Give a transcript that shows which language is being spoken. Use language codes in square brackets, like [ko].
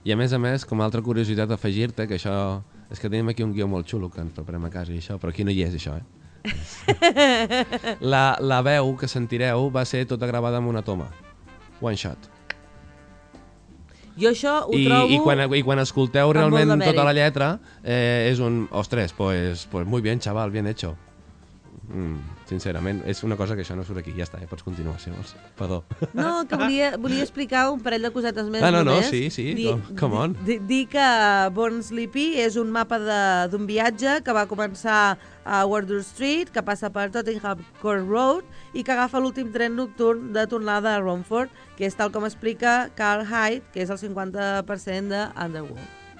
[ca] I a més, com a altra curiositat afegir-te, que això... És que tenim aquí un guió molt xulo que ens preparem a casa i això, però aquí no hi és això, eh? La veu que sentireu va ser tota gravada amb una toma. [en] One shot. [ca] Jo això ho trobo... I quan escolteu realment tota la lletra, és un... [es] Ostres, pues muy bien, chaval, bien hecho. [ca] Sincerament, és una cosa que això no surt aquí. Ja està, pots continuar, si vols. Perdó. No, que volia explicar un parell de cosetes més. Ah, no, sí, [en] come on. [ca] Dir que Born Sleepy és un mapa d'un viatge que va començar a Wardour Street, que passa per Tottenham Court Road i que agafa l'últim tren nocturn de tornada a Romford, que és tal com explica Carl Hyde, que és el 50% d'Underworld.